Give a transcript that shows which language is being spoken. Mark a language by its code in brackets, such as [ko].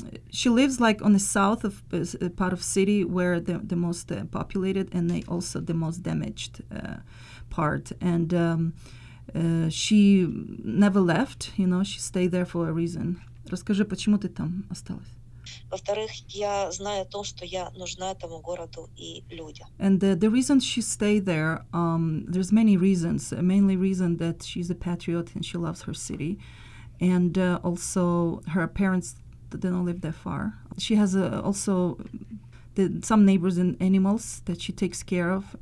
[en] She lives like on the south of part of city where the most populated and they also the most damaged part. And she never left, you know, she stayed there for a reason. [ru] Расскажи, почему ты там осталась? Во-вторых, я знаю то, что я нужна этому городу и людям. [en] And the reason she stayed there, there's many reasons. Mainly reason that she's a patriot and she loves her city. And also her parents, they don't live that far. She has also some neighbors and animals that she takes care of.